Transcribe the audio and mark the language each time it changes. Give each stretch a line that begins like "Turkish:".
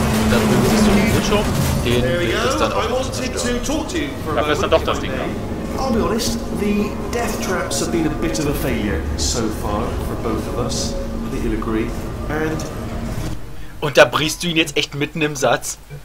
German: Da drüben siehst du den Bildschirm, den ist dann auch zerstört. Dafür ist dann doch das Ding da.
English: I'll be honest, the death traps have been a bit of a failure so far for both of us. I think you'll agree. And...
German: Und da brichst du ihn jetzt echt mitten im Satz.